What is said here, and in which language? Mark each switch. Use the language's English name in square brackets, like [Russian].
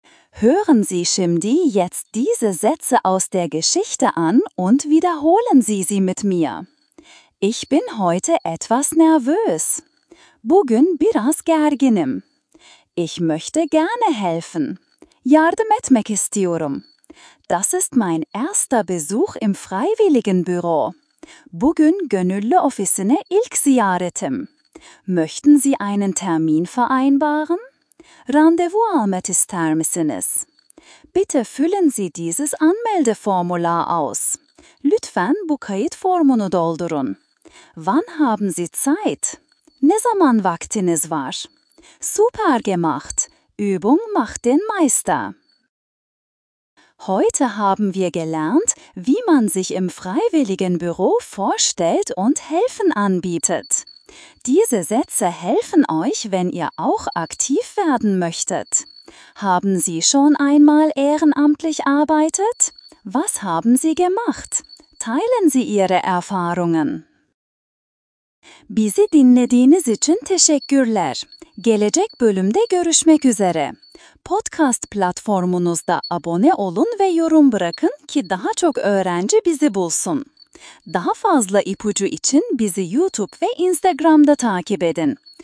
[German] Hören Sie, Şimdi, jetzt diese Sätze aus der Geschichte an und wiederholen Sie sie mit mir. Ich bin heute etwas nervös. [Turkish] Bugün biraz gerginim. [German] Ich möchte gerne helfen. [Turkish] Yardım etmek istiyorum. [German] Das ist mein erster Besuch im Freiwilligenbüro. [Turkish] Bugün gönüllü ofisine ilk ziyaretim. [German] Möchten Sie einen Termin vereinbaren? [Turkish] Randevu almak ister misiniz? [German] Bitte füllen Sie dieses Anmeldeformular aus. [Turkish] Lütfen bu kayıt formunu doldurun. [German] Wann haben Sie Zeit? [Turkish] Ne zaman vaktiniz var? [German] Super gemacht! Übung macht den Meister! Heute haben wir gelernt, wie man sich im Freiwilligenbüro vorstellt und helfen anbietet. Diese Sätze helfen euch, wenn ihr auch aktiv werden möchtet. Haben Sie schon einmal ehrenamtlich arbeitet? Was haben Sie gemacht? Teilen Sie Ihre Erfahrungen. [Turkish] Bizi dinlediğiniz için teşekkürler. Gelecek bölümde görüşmek üzere. Podcast platformunuzda abone olun ve yorum bırakın ki daha çok öğrenci bizi bulsun. Daha fazla ipucu için bizi YouTube ve Instagram'da takip edin.